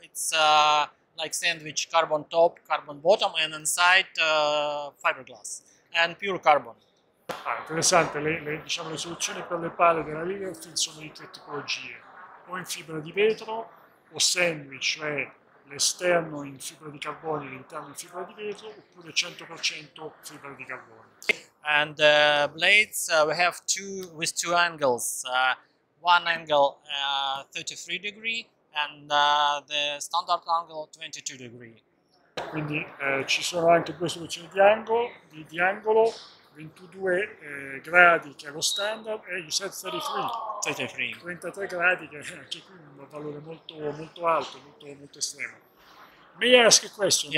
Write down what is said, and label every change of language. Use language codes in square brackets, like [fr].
[en] It's like sandwich: carbon top, carbon bottom, and inside fiberglass and pure carbon. [it] Ah, interessante. Le soluzioni per le pale della Leaderfins sono di tre tipologie: o in fibra di vetro, o sandwich, cioè l'esterno in fibra di carbonio e l'interno in fibra di vetro, oppure 100% fibra di carbonio. [en] And the blades we have two with two angles. One angle 33 degree and the standard angle 22 degree. [it] Quindi ci sono anche due soluzioni di angolo, di angolo 22 gradi che è lo standard e [en] you said [it] 33 gradi che anche qui è un valore molto molto alto, molto molto estremo. [en] May I ask a question?